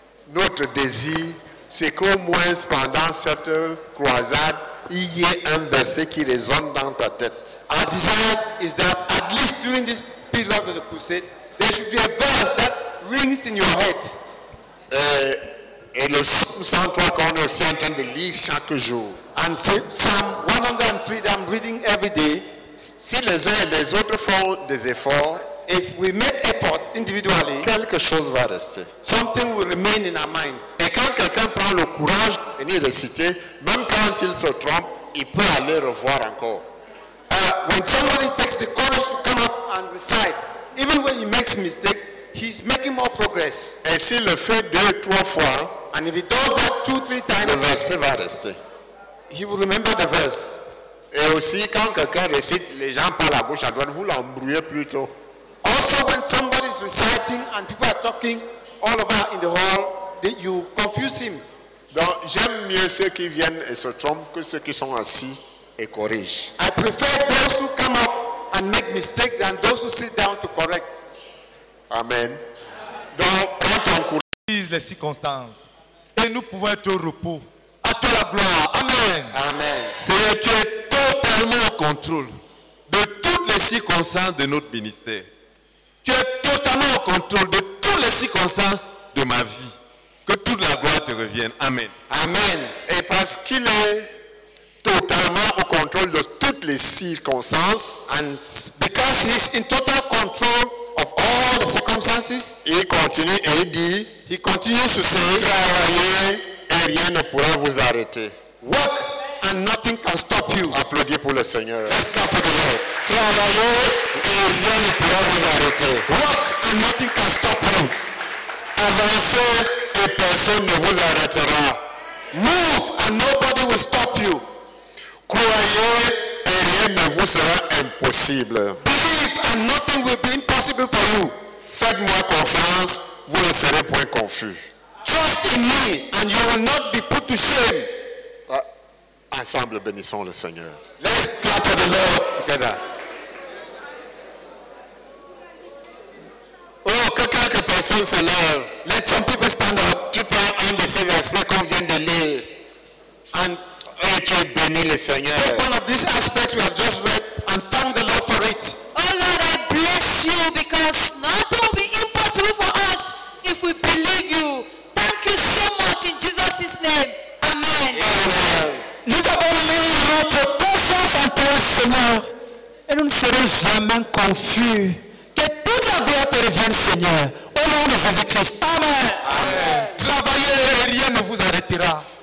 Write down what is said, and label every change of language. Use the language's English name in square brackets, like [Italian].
[French] Notre désir, c'est qu'au moins pendant cette croisade, il y ait un verset qui résonne dans ta tête. [English] Our desire is that at least during this period of the crusade, there should be a verse that rings in your head. [French] Et le 103 qu'on est aussi en train de lire chaque jour. [English] I And Psalm 103 that I'm reading every day, [French] si les uns et les autres font des efforts, [English] if we make effort individually, [French] quelque chose va rester. [English] Something will remain in our minds. [French] Et quand quelqu'un prend le courage de venir réciter, même quand il se trompe, il peut aller revoir encore. [English] When somebody takes the courage to come up and recite, even when he makes mistakes, he's making more progress. [French] Et s'il le fait deux, trois fois, [English] and if he does that two, three times, [French] le verset va rester. [English] He will remember the verse. [French] Et aussi, quand quelqu'un récite, les gens parlent à gauche, à droite, vous l'embrouillez plutôt. [English] Also, when somebody is reciting and people are talking all over in the hall, you confuse him. [French] Donc, j'aime mieux ceux qui viennent et se trompent que ceux qui sont assis et corrigent. [English] I prefer those who come up and make mistakes than those who sit down to correct. Amen. [French] Donc, quand on corrige les circonstances et nous pouvons être au repos, à toi la gloire. Amen. Amen. Seigneur, tu es totalement au contrôle de toutes les circonstances de notre ministère. Tu es totalement au contrôle de toutes les circonstances de ma vie. Que toute la gloire te revienne. Amen. Amen. Et parce qu'il est totalement au contrôle de toutes les circonstances, [English] and because he is in total control of all the circumstances, [French] il continue et il dit, [English] he continues to say, [French] travaillez et rien ne pourra vous arrêter. [English] Work and nothing can stop you. [French] Applaudissez pour le Seigneur. Travaillez et rien ne pourra vous arrêter. [English] Work and nothing can stop you. [French] Avancez et personne ne vous arrêtera. [English] Move and nobody will stop you. [French] Croyez et rien ne vous sera impossible. [English] Believe and nothing will be impossible for you. [French] Faites-moi confiance, vous ne serez point confus. [English] Trust in me and you will not be put to shame. [French] Ensemble, bénissons le Seigneur. [English] Let's clap for the Lord together. [French] Oh, que quelques personnes se lèvent. [English] Let some people stand up. [French] Tu prends un de ces aspects qu'on vient de lire. [English] And [French] tu es béni le Seigneur. [English] Take one of these aspects we have just read and thank the Lord for it. Oh Lord, I bless you because nothing will be impossible for us if we believe you. Thank you so much in Jesus' name. Amen. Amen. [French] Nous avons mis notre confiance en toi, Seigneur. Et nous ne serons jamais confus. Que toute la gloire te revienne, Seigneur. Au nom de Jésus-Christ. Amen. Amen. Travaillez et rien ne vous arrêtera.